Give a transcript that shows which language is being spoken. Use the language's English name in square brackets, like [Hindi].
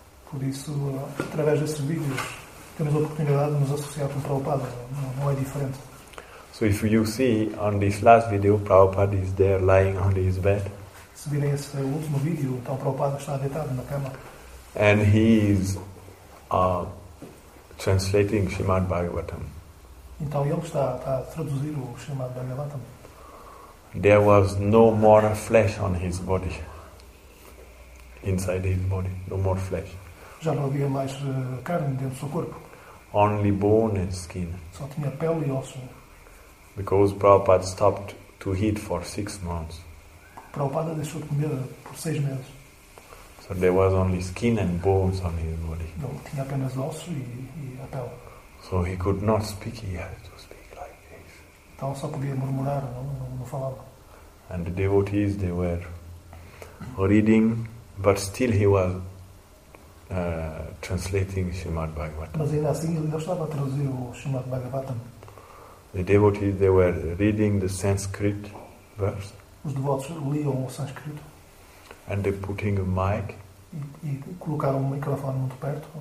[Portuguese] Por isso, através desses vídeos, temos a oportunidade de nos associar com Prabhupada. Não é diferente. [English] So if you see on this last video, Prabhupada is there lying on his bed. [Portuguese] Se virem esse último vídeo, então Prabhupada está deitado na cama. [English] And he is translating Srimad Bhagavatam. [Portuguese] Então ele está a traduzir o Srimad Bhagavatam. [English] There was no more flesh on his body. Inside his body, no more flesh. [Portuguese] Já não havia mais carne dentro do seu corpo. [English] Only bone and skin. [Portuguese] Só tinha pele e osso. [English] Because Prabhupada stopped to eat for 6 months. [Portuguese] Prabhupada deixou de comer por 6 meses. [English] So there was only skin and bones on his body. [Portuguese] Não, tinha apenas osso e a pele. [English] So he could not speak, he had to speak like this. [Portuguese] Então só podia murmurar, não falava. [English] And the devotees, they were reading. But still he was translating Srimad Bhagavatam. [Portuguese] Mas ainda assim ele estava a traduzir o Srimad Bhagavatam. [English] The devotees, they were reading the Sanskrit verse. [Portuguese] Os devotos liam o sânscrito. [English] And they putting a mic. [Portuguese] E colocaram um microfone muito perto.